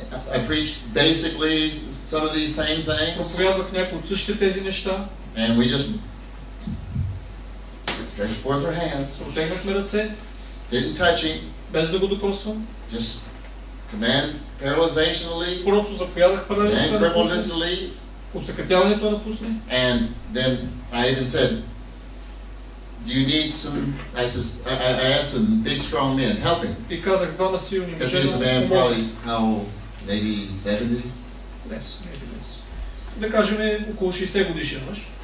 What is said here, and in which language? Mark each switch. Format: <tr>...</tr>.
<en>I preached basically some of these same things.</en> <bg>Проповядвах някои от същите тези неща.</bg> <en>And we just stretched forth our hands.</en> <bg>Протегнахме ръце.</bg> <en>Didn't touch him.</en> <bg>Без да го докосвам.</bg> <en>Just command. Paralyzation leave.</en> <bg>Просто заповядах парализа да напусне. Усъкътяването да напусне.</bg> <en>And then I even said, do you need some? I said, I asked some big strong men help him.</en> <bg>И казах двама силни мъже.</bg> <en>Because this man probably how maybe 70. Less, maybe less.</en> <bg>Да кажем около 60 годишен мъж.</bg>